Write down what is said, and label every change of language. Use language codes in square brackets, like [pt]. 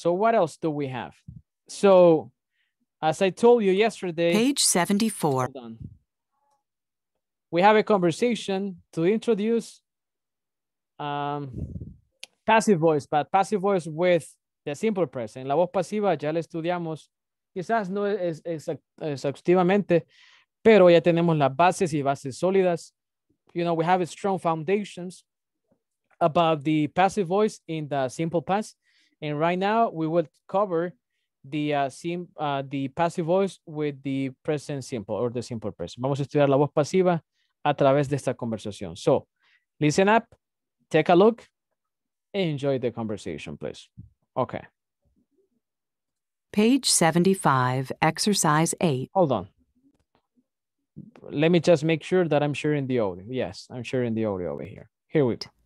[en] So what else do we have? So, as I told you yesterday, page 74, hold on. We have a conversation to introduce passive voice, but passive voice with the simple present. [es] La voz pasiva ya la estudiamos, quizás no es exhaustivamente, pero ya tenemos las bases y bases sólidas. [en] You know, we have strong foundations about the passive voice in the simple past. And right now we will cover the passive voice with the present simple or the simple present. [es] Vamos a estudiar la voz pasiva a través de esta conversación. [en] So, listen up. Take a look, enjoy the conversation, please. Okay. Page 75. Page 75, exercise 8. Hold on. Let me just make sure that I'm sharing the audio. Yes, I'm sharing the audio over here. Here we go.